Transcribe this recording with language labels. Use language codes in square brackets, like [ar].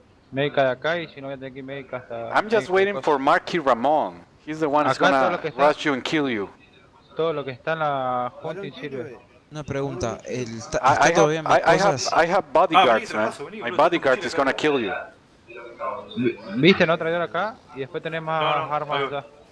[es] Médica de acá y si no voy a tener que ir médica hasta... [en] I'm just waiting for Marky Ramón. He's the one who's gonna rush you and kill you. [es] Todo lo que está en la junta y sirve. Una pregunta, ¿está todo bien mis cosas? [en] I have bodyguards, man. My bodyguard is gonna kill you. [es] ¿Viste no traidor acá? Y después tenés más armas allá.